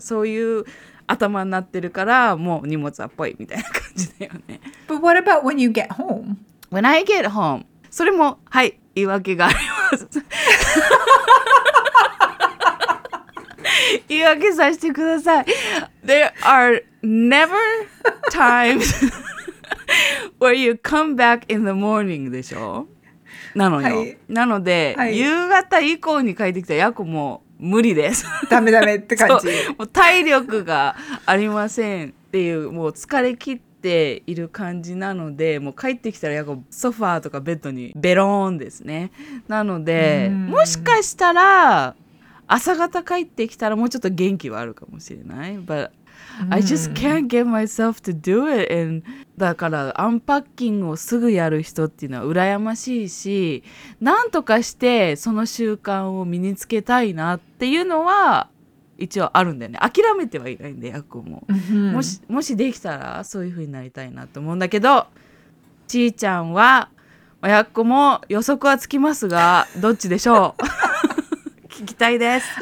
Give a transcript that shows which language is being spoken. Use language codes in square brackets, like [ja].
[ja] そういう頭になってるから、もう荷物はっぽいみたいな感じだよね。 [en] But what about when you get home? When I get home. [ja] それも、はい、言い訳があります。言い訳させてください。 [en] There are never times where you come back in the morning [ja] でしょ? なのよ。はい、なので、はい、夕方以降に帰ってきたらやこも無理です。ダメダメって感じ。もう体力がありませんっていう、もう疲れ切っている感じなので、もう帰ってきたらやこソファーとかベッドにベローンですね。なので、もしかしたら、朝方帰ってきたらもうちょっと元気はあるかもしれない。 [en] But I just can't get myself to do it. [ja] And だからアンパッキングをすぐやる人っていうのは羨ましいし、なんとかしてその習慣を身につけたいなっていうのは一応あるんだよね。諦めてはいないんで、役も。もしできたらそういう風になりたいなと思うんだけど、ちーちゃんは、役子も予測はつきますが、どっちでしょう聞きたいです。